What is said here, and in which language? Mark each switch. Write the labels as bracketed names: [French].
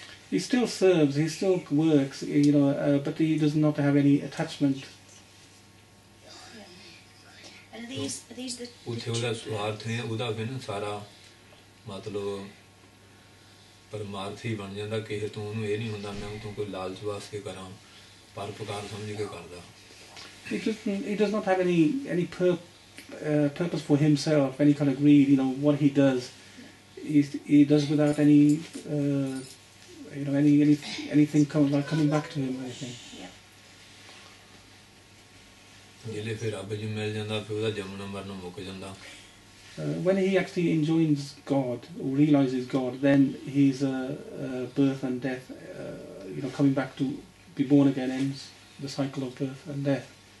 [English] He still serves, he still works, you know, but he does not have any attachment. [Punjabi] ਪਰਮਾਰਥੀ ਬਣ ਜਾਂਦਾ ਕਿਸੇ ਤੋਂ ਉਹਨੂੰ ਇਹ ਨਹੀਂ ਹੁੰਦਾ ਮੈਂ ਉਹ ਤੋਂ ਕੋਈ ਲਾਲਚ ਵਾਸਤੇ ਕਰਾਂ ਪਰਉਪਕਾਰ ਸਮਝ ਕੇ ਕਰਦਾ [English] it does not have any purpose for himself any kind of greed you know what he does he does without any you know anything coming back to him I think [Punjabi] ਜਿਹੜੇ ਫਿਰ ਰੱਬ ਜੀ ਮਿਲ ਜਾਂਦਾ ਫਿਰ ਉਹਦਾ ਜੰਮਣਾ ਮਰਨਾ ਮੁੱਕ ਜਾਂਦਾ [English] When he actually enjoins God, or realizes God, then his birth and death, you know, coming back to be born again ends the cycle of birth and death.